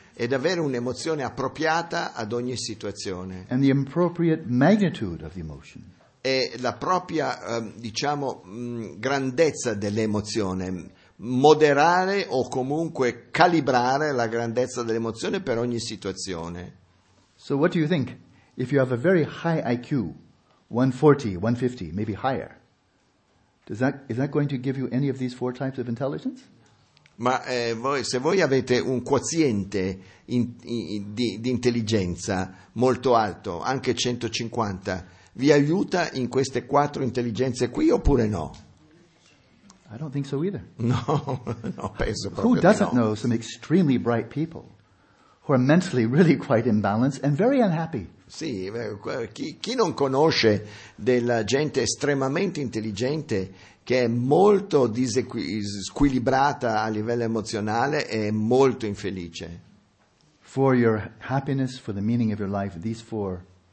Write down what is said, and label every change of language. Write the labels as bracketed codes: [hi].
[it] Ed avere un'emozione appropriata ad ogni situazione. [en] And the appropriate magnitude of the emotion. [it] E la propria, grandezza dell'emozione. Moderare o comunque calibrare la grandezza dell'emozione per ogni situazione. [en] So what do you think? If you have a very high IQ, 140, 150, maybe higher, is that going to give you any of these four types of intelligence? [it] Ma se voi avete un quoziente di intelligenza molto alto, anche 150, vi aiuta in queste quattro intelligenze qui oppure no? [en] I don't think so either. [it] No, penso proprio [en] Who doesn't know some extremely bright people who are mentally really quite imbalanced and very unhappy? [it] Sì, chi non conosce della gente estremamente intelligente che è molto squilibrata a livello emozionale e molto infelice? [en] For your happiness, for the meaning of your life, these four.